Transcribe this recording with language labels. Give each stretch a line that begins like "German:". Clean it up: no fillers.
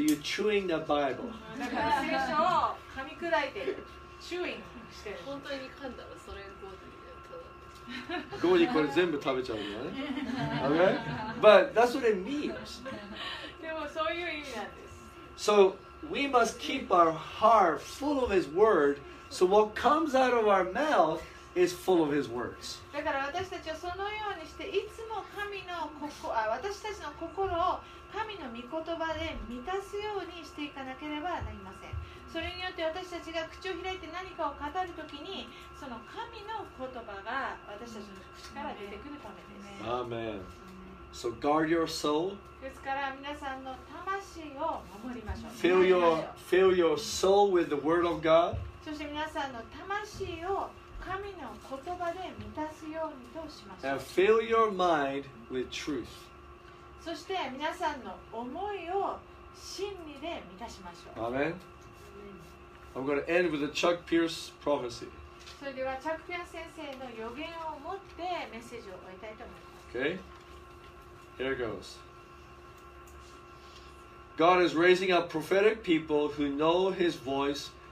English: So you're chewing the Bible.
Japanese: だから聖書を噛み砕いてる。 Chewing してる。本当に噛んだらそれゴーディーで食べる。ゴーディーこれ全部食べちゃうのね。
English: Okay? But that's what it means.
Japanese: でもそういう意味なんです。
English: So we must keep our heart full of His Word. So what comes out of our mouth is full of His words.
Japanese: だから私たちはそのようにしていつも神の心、私たちの心を神の御言葉で満たすようにしていかなければなりません。それによって私たちが口を開いて何かを語るときに、その神の言葉が私たちの口から出てくるためですね。
English: Amen. So guard your soul.
Japanese: ですから皆さんの魂を守りましょう。
English: Fill your soul with the word of God.
Japanese: そして皆さんの魂を神の言葉で満たすようにとしましょう。
English: And fill your mind with truth.
Japanese: そして皆さんの思いを真理で満たしましょう。
English: Amen. I'm going to end with a Chuck Pierce prophecy.
Japanese: それではチャック・ピアス先生の予言を持ってメッセージを終えたいと思います。
English: Okay. Here goes. God is raising up prophetic people who know His voice.